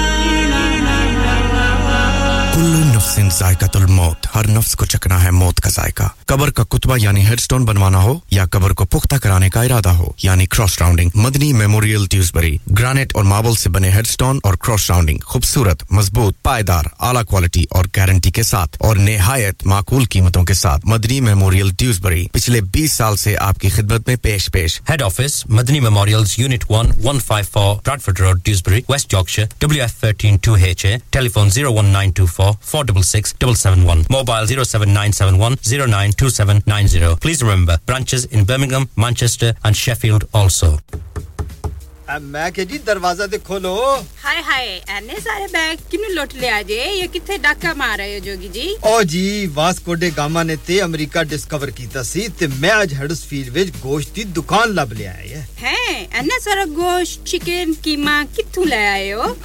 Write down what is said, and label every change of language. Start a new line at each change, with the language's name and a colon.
Arabic: نفسن ذائقت الموت
Urdu: ہر نفس کو چکنا ہے موت کا ذائقہ قبر کا کتبہ یعنی ہیڈ سٹون بنوانا ہو یا قبر کو پختہ کرانے کا ارادہ ہو یعنی کراس راؤنڈنگ مدنی میموریل ڈیوزبری گرانیٹ اور مابل سے بنے ہیڈ سٹون اور کراس راؤنڈنگ خوبصورت مضبوط پائیدار اعلی کوالٹی اور گارنٹی کے ساتھ اور نہایت معقول قیمتوں کے ساتھ مدنی میموریل ڈیوزبری پچھلے 20 سال سے آپ کی خدمت میں پیش پیش head office Madani میموریلز unit 1154 برادفورڈ road Dewsbury waste Yorkshire WF13 2HA tele phone 01924 466771
English: Mobile 07971092790 Please remember branches in Birmingham, Manchester and Sheffield also
Punjabi: ਮੈਂ ਕਿਹਾ ਜੀ ਦਰਵਾਜ਼ਾ ਤੇ ਖੋਲੋ ਹਾਏ ਹਾਏ ਇੰਨੇ ਸਾਰੇ ਬੈਗ ਕਿਹਨੂੰ ਲੁੱਟ ਲਿਆ ਜੇ ਇਹ ਕਿੱਥੇ ਡਾਕਾ ਮਾਰ ਰਹੇ ਹੋ ਜੋਗੀ ਜੀ ਓ ਜੀ ਵਾਸਕੋ ਡੇ ਗਾਮਾ ਨੇ ਤੇ ਅਮਰੀਕਾ ਡਿਸਕਵਰ ਕੀਤਾ ਸੀ ਤੇ ਮੈਂ ਅੱਜ ਹੈਡਸਫੀਲਡ ਵਿੱਚ ਗੋਸ਼ਤ ਦੀ ਦੁਕਾਨ ਲੱਭ ਲਿਆ ਹੈ ਹੈ ਇੰਨੇ ਸਾਰੇ ਗੋਸ਼ਤ ਚਿਕਨ ਕੀਮਾ ਕਿੱਥੋਂ ਲੈ ਆਏ ਹੋ